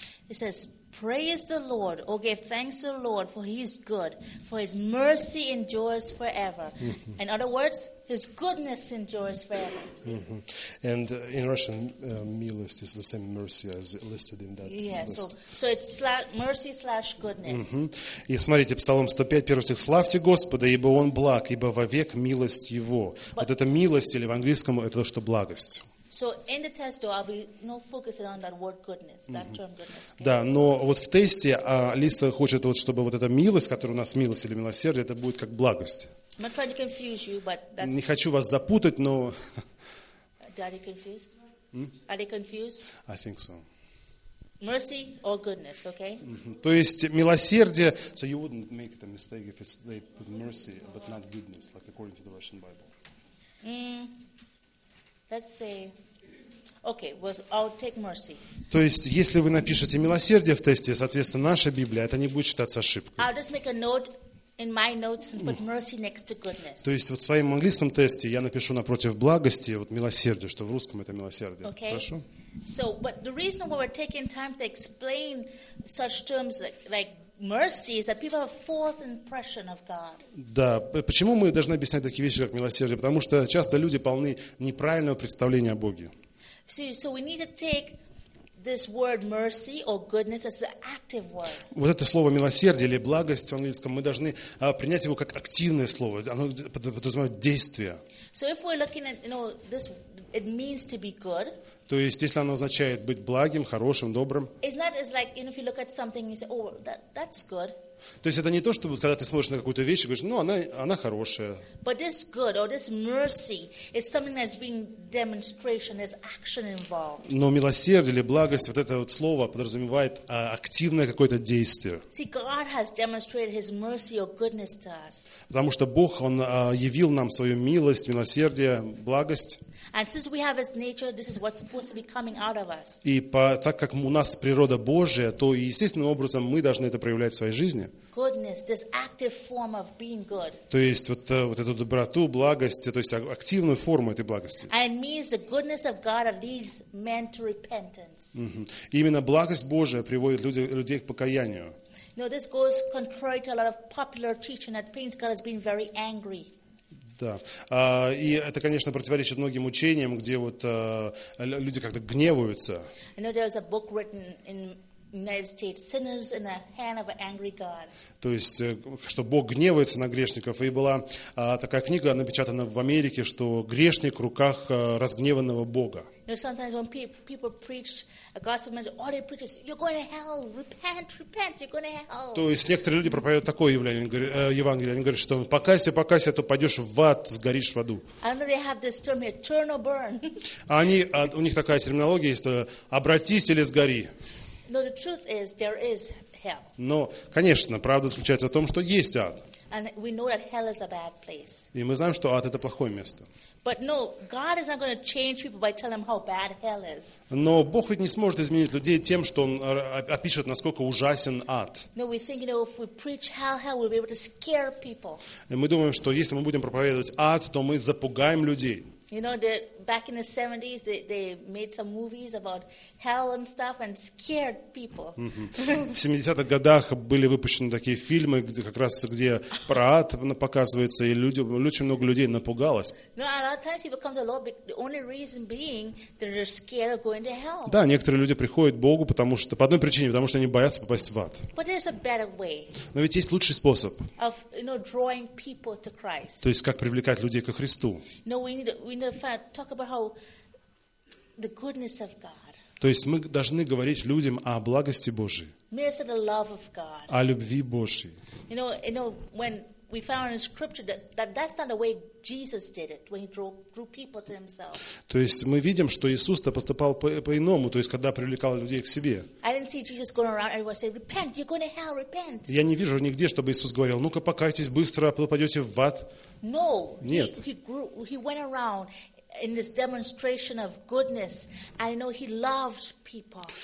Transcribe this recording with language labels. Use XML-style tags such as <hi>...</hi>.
<en>It says, "Praise the Lord, O give thanks to the Lord, for He is good, for His mercy endures forever." In other words, His goodness endures forever. And in Russian, "милость" is the same mercy as listed in that. So it's mercy / goodness.</en> <ru>И смотрите, Псалом 105, первый стих: "Славьте Господа, ибо Он благ, ибо вовек милость Его." Вот это милость, или в английском это то, что благость.</ru> <en>So in the test, though, I'll be focusing on that word goodness, that term goodness. Okay?</en> <ru>Да, но вот в тесте Лиса хочет вот чтобы вот эта милость, которая у нас милость или милосердие, это будет как благость.</ru> <en>I'm not trying to confuse you, but that's.</en> <ru>Не хочу вас запутать, но.</ru> <en>Are you confused? Are they confused? I think so. Mercy or goodness, okay?</en> <ru>То есть милосердие.</ru> <en>So you wouldn't make the mistake if it's they put mercy but not goodness, like according to the Russian Bible. Let's say, okay, well, I'll take mercy.</en> <ru>То есть, если вы напишете милосердие в тесте, соответственно, наша Библия, это не будет считаться ошибкой.</ru> <en>I'll just make a note in my notes and put mercy next to goodness.</en> <ru>То есть, вот в своем английском тесте я напишу напротив благости, вот милосердие, что в русском это милосердие.</ru> <en>Okay.</en> <ru>Хорошо?</ru> <en>So, but the reason why we're taking time to explain such terms like mercy is that people have false impression of God.</en> <ru>Да, почему мы должны объяснять такие вещи, как милосердие? Потому что часто люди полны неправильного представления о Боге.</ru> <en>So we need to take this word mercy or goodness as an active word.</en> <ru>Вот это слово милосердие или благость в английском, мы должны принять его как активное слово. Оно подразумевает действие.</ru> <en>So if we're looking at, this, it means to be good.</en> <ru>То есть, если оно означает быть благим, хорошим, добрым.</ru> <en>It's not as like, if you look at something and you say, oh, that's good.</en> <ru>То есть, это не то, что вот, когда ты смотришь на какую-то вещь и говоришь, она хорошая.</ru> <en>But this good or this mercy is something that's being demonstration, there's action involved.</en> <ru>Но милосердие или благость, вот это вот слово подразумевает активное какое-то действие.</ru> <en>See, God has demonstrated His mercy or goodness to us.</en> <ru>Потому что Бог, Он явил нам свою милость, милосердие, благость.</ru> <en>And since we have His nature, this is what's supposed to be coming out of us.</en> <ru>И так как у нас природа Божия, то естественным образом мы должны это проявлять в своей жизни.</ru> <en>Goodness, this active form of being good.</en> <ru>То есть вот эту доброту, благость, то есть активную форму этой благости.</ru> <en>And it means the goodness of God that leads men to repentance.</en> <ru>Именно благость Божия приводит людей к покаянию.</ru> <en>Now this goes contrary to a lot of popular teaching that paints God as being very angry.</en> <ru>Да. И это, конечно, противоречит многим учениям, где вот люди как-то гневаются.</ru> <en>I know there was a book written in United States, "Sinners in the Hand of an Angry God."</en> <ru>То есть, что Бог гневается на грешников, и была такая книга напечатана в Америке, что грешник в руках разгневанного Бога.</ru> <en>Sometimes when people preach a gospel message, all they preach is, "You're going to hell. Repent, repent. You're going to hell."</en> <ru>То есть некоторые люди проповедуют такое явление Евангелия. Они говорят, что покайся, покайся, а то пойдешь в ад, сгоришь в аду.</ru> <en>I don't know if they have this term here, "Turn or burn."</en> <ru>у них такая терминология есть, обратись или сгори.</ru> <en>No, the truth is there is hell.</en> <ru>Но, конечно, правда заключается в том, что есть ад.</ru> <en>And we know that hell is a bad place.</en> <ru>И мы знаем, что ад это плохое место.</ru> <en>But no, God is not going to change people by telling them how bad hell is.</en> <ru>Но Бог ведь не сможет изменить людей тем, что он опишет, насколько ужасен ад.</ru> <en>No, we think, if we preach hell, we'll be able to scare people.</en> <ru>И мы думаем, что если мы будем проповедовать ад, то мы запугаем людей.</ru> <en>You know, back in the 70s, they made some movies about hell and stuff and scared people.</en> <ru>В 70-х годах были выпущены такие фильмы, как раз где про ад показывается, и очень много людей напугалось.</ru> <en>No, a lot of times people come to the Lord, the only reason being that they're scared of going to hell.</en> <ru>Да, некоторые люди приходят к Богу, потому что по одной причине, потому что они боятся попасть в ад.</ru> <en>But there's a better way.</en> <ru>Но ведь есть лучший способ.</ru> <en>Of, you know, drawing people to Christ.</en> <ru>То есть как привлекать людей ко Христу.</ru> <en>No, we need to talk about how the goodness of God.</en> <ru>То есть мы должны говорить людям о благости Божьей.</ru> <en>Say the love of God.</en> <ru>О любви Божьей.</ru> <en>You know, when we found in Scripture that's not the way Jesus did it when he drew people to himself.</en> <ru>То есть мы видим, что Иисус-то поступал по-иному, то есть когда привлекал людей к себе.</ru> <en>I didn't see Jesus going around everyone saying, "Repent, you're going to hell, repent."</en> <ru>Я не вижу нигде, чтобы Иисус говорил: "Ну-ка, покайтесь быстро, попадете в ад."</ru> <en>No.</en> <ru>Нет.</ru> <en>He went around in this demonstration of goodness, and you know he loved people.</en>